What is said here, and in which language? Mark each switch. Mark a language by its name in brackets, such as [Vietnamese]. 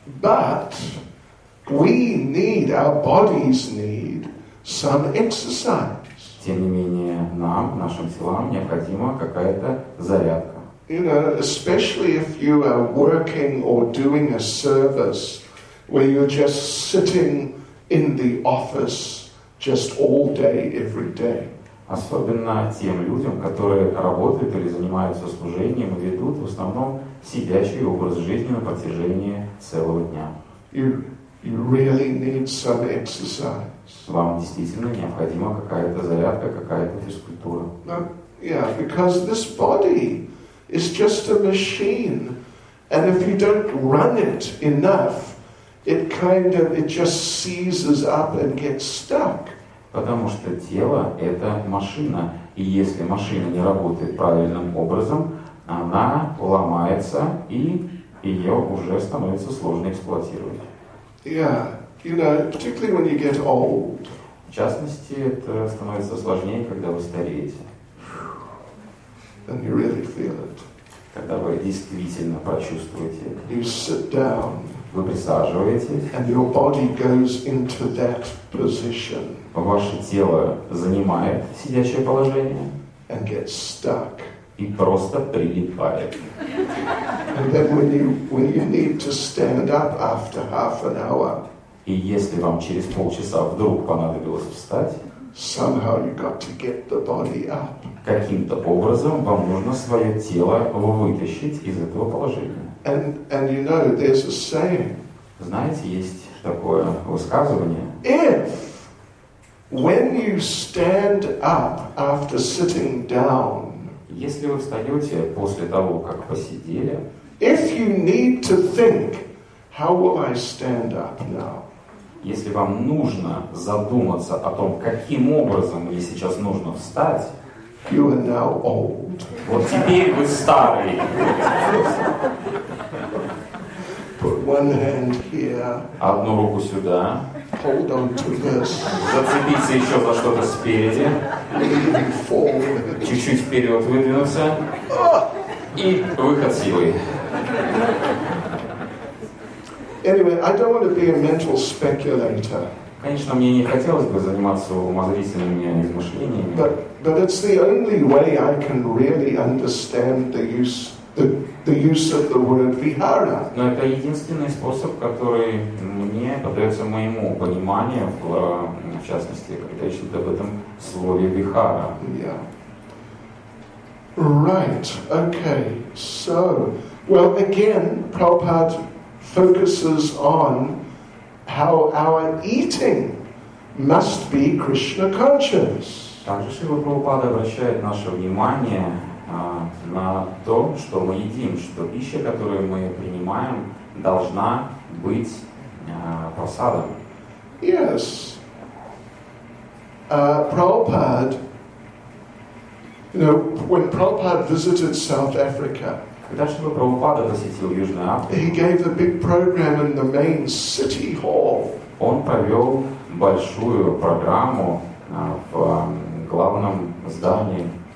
[English] But we need, our bodies need some exercise. [Russian] Тем не менее, нам, нашим телам, необходима какая-то зарядка. [English] You know, especially if you are working or doing a service where you're just sitting in the office just all day, every day. [Russian] Особенно тем людям, которые работают или занимаются служением, ведут в основном сидящий образ жизни на протяжении целого дня. [English] You really need some exercise. [Russian] Вам действительно необходима какая-то зарядка, какая-то физкультура. [English] Yeah, because this body is just a machine, and if you don't run it enough, it kind of it just seizes up and gets stuck. [Russian] Потому что тело — это машина, и если машина не работает правильным образом, она ломается, и ее уже становится сложно эксплуатировать. [English] Yeah, you know, particularly when you get old. [Russian] В частности, это становится сложнее, когда вы стареете. [English] And you really feel it. [Russian] Когда вы действительно почувствуете это. [English] You sit down. [Russian] Вы присаживаетесь, [English] and your body goes into that position. [Russian] Ваше тело занимает сидящее положение, [English] and gets stuck. [Russian] И просто прилипает. [English] And then when you need to stand up after half an hour, [Russian] и если вам через полчаса вдруг понадобилось встать, [English] somehow you got to get the body up. [Russian] Каким-то образом вам нужно свое тело вытащить из этого положения. [English] And you know, there's a saying. [Russian] Знаете, есть такое высказывание. [English] If when you stand up after sitting down, [Russian] если вы встаете после того, как посидели, [English] if you need to think, how will I stand up now? [Russian] Если вам нужно задуматься о том, каким образом мне сейчас нужно встать, [English] you are now old. [Russian] Вот теперь вы старый. [English] One hand here. [Russian] Одну руку сюда. [English] Hold on to this. [Russian] Зацепиться еще за что-то спереди. [English] Leaning forward. [Russian] Чуть-чуть вперед выдвинуться. И выход силой. [English] Anyway, I don't want to be a mental speculator. [Russian] Конечно, мне не хотелось бы заниматься умозрительными измышлениями. [English] But it's the only way I can really understand the use. The use of the word vihara. [Russian] Но это единственный способ, который мне поддается моему пониманию, в частности, когда я читаю об этом слове vihara. [English] Yeah. Right. Okay. So, well, again, Prabhupada focuses on how our eating must be Krishna conscious. [Russian] Также Шрила Прабхупада обращает наше внимание на то, что мы едим, что пища, которую мы принимаем, должна быть просадом. [English] Yes. Prabhupada, you know, when Prabhupada visited South Africa, [Russian] когда Шрила Прабхупада посетил Южную Африку, [English] he gave a big program in the main city hall. [Russian] Он провел большую программу в главном здании.